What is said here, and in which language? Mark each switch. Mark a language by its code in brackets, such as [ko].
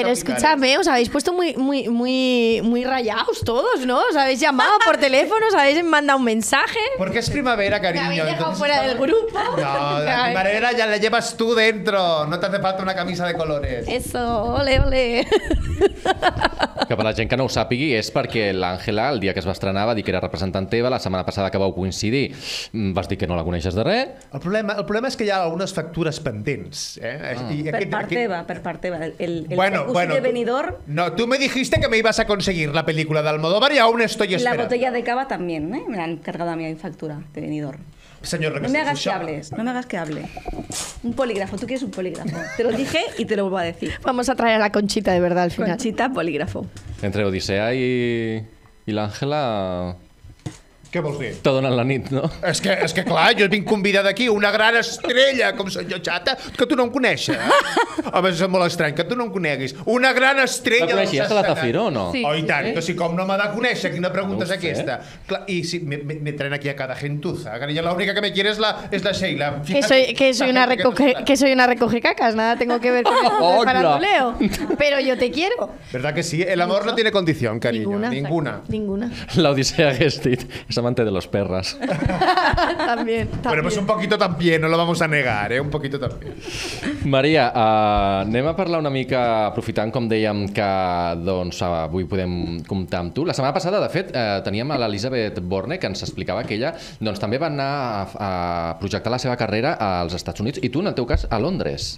[es] Pero escúchame, os habéis puesto muy rayados todos, ¿no? Os habéis llamado por teléfono, os habéis mandado un mensaje. Porque es primavera, cariño. Me habéis dejado entonces, fuera del grupo. No, la primavera ya la llevas tú dentro. No te hace falta una camisa de colores. Eso, ole, ole. [ca] Que per la gent que no ho sàpigui és perquè l'Àngela, el dia que es va estrenar, va dir que era representant teva, la setmana passada que vau coincidir, vas dir que no la coneixes de res. El problema és que hi ha algunes factures pendents. Per part teva. El de Benidorm... [es] No, tu me dijiste que me ibas a conseguir [ca] la pel·lícula d'Almodóvar [es] i aún estoy esperando. La botella de cava [ca] també, [es] eh? Me l'han encargado a mi factura de Benidorm. [ca] Senyor Recasens, [es] no me hagas que hables, no me hagas que hable. Un polígrafo, tú quieres un polígrafo. Te lo dije y te lo vuelvo a decir. Vamos a traer a la Conchita de verdad al final. Conchita, polígrafo. Entre Odisea y la Ángela... [ca] Què vols dir? T'ha donat la nit, no? És que clar, jo vinc convidada aquí, una gran estrella, com soc jo, xata, que tu no em coneixes. A més, és molt estrany que tu no em coneguis. Una gran estrella... La coneixies a la Zafiro, o no? Sí. Oh, i tant, que si com no m'ha de conèixer, quina pregunta és aquesta? Clar, i si me tren aquí a cada gentuza, que ja l'única [es] que me quiere [ca] és la Sheila. [es] Que soy una recogecacas, nada tengo que ver con el paranduleo. Pero yo te quiero. ¿Verdad que sí? El amor no tiene condición, cariño. Ninguna. Ninguna. La Odisea Gestit. Es amante de los perras. también. Bueno, pues un poquito también, no lo vamos a negar, ¿eh? Un poquito también. [ca] Maria, anem a parlar una mica, aprofitant, com dèiem, que doncs, avui podem comptar amb tu. La setmana passada, de fet, teníem a l'Elisabeth Borne, que ens explicava que ella doncs, també va anar a projectar la seva carrera als Estats Units, i tu, en el teu cas, a Londres.